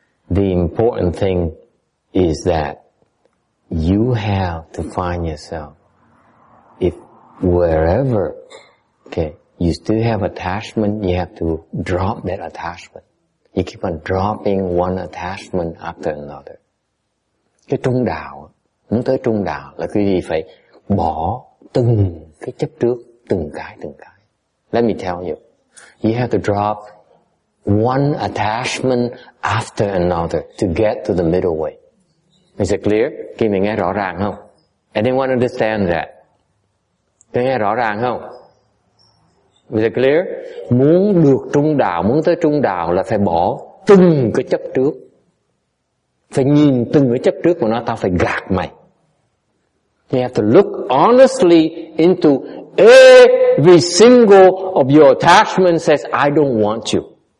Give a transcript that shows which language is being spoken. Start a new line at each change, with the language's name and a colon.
English: The important thing is that you have to find yourself. If wherever, okay, you still have attachment, you have to drop that attachment. You keep on dropping one attachment after another.
Vietnamese: Cái trung đạo, muốn tới trung đạo là quý vị phải bỏ từng cái chấp trước, từng cái.
English: Let me tell you. You have to drop one attachment after another to get to the middle way. Is it clear?
Vietnamese: Quý vị nghe rõ ràng không?
English: Anyone understand that?
Vietnamese: Quý vị nghe rõ ràng không?
English: Is it clear?
Vietnamese: Muốn được trung đạo, muốn tới trung đạo là phải bỏ từng cái chấp trước. Phải nhìn từng cái chấp trước của nó, tao phải gạt mày.
English: You have to look honestly into every single of your attachments says, I don't want you.